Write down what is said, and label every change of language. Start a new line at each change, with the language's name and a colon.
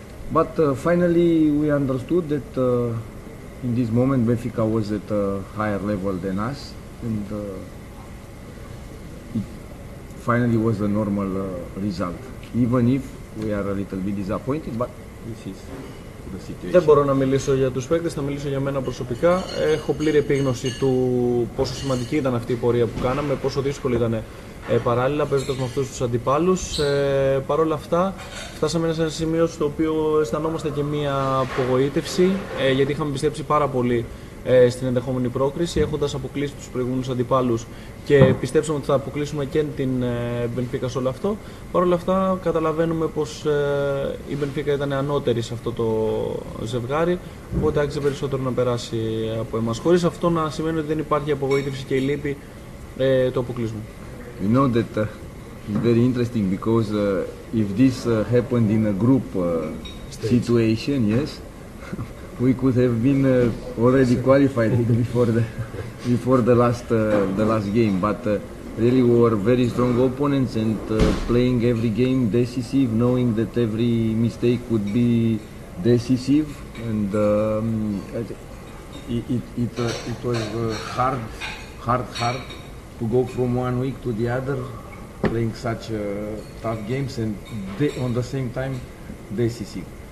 English: But finally, we understood that in this moment, Benfica was at a higher level than us. And it finally was a normal result, even if we are a little bit disappointed. But this is...
Greek: Δεν μπορώ να μιλήσω για τους παίκτες, θα μιλήσω για μένα προσωπικά. Έχω πλήρη επίγνωση του πόσο σημαντική ήταν αυτή η πορεία που κάναμε, πόσο δύσκολη ήταν παράλληλα παίζοντας με αυτούς τους αντιπάλους. Παρ' όλα αυτά, φτάσαμε σε ένα σημείο στο οποίο αισθανόμαστε και μία απογοήτευση, γιατί είχαμε πιστέψει πάρα πολύ στην ενδεχόμενη πρόκριση, έχοντας αποκλείσει τους προηγούμενους αντιπάλους και πιστέψαμε ότι θα αποκλείσουμε και την Μπενφίκα σε όλο αυτό. Παρ' όλα αυτά, καταλαβαίνουμε πως η Μπενφίκα ήταν ανώτερη σε αυτό το ζευγάρι, οπότε άξιζε περισσότερο να περάσει από εμάς. Χωρίς αυτό να σημαίνει ότι δεν υπάρχει απογοήτευση και λύπη, το αποκλείσμα.
English: You know that it's very interesting because if this happened in a group situation, yes. We could have been already qualified before the last game, but really we were very strong opponents and playing every game decisive, knowing that every mistake would be decisive, and it was hard to go from one week to the other, playing such tough games and on the same time decisive.